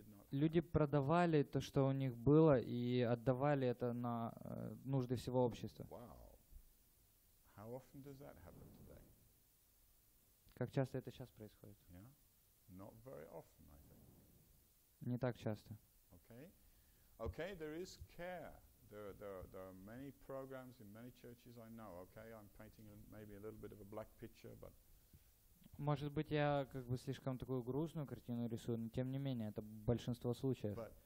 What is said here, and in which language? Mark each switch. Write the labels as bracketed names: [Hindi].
[Russian] Люди продавали то, что у них было, и отдавали это на нужды всего общества. [English] Wow. How often does that happen today? [Russian] Как часто это сейчас происходит? [English] Yeah? Not very often, I think. [Russian] Не так часто. [English] Okay. Okay, there is care. There are many programs in many churches I know. Okay, I'm painting maybe a little bit of a black picture, but [Russian] может быть, я как бы слишком такую грустную картину рисую, но тем не менее, это большинство случаев.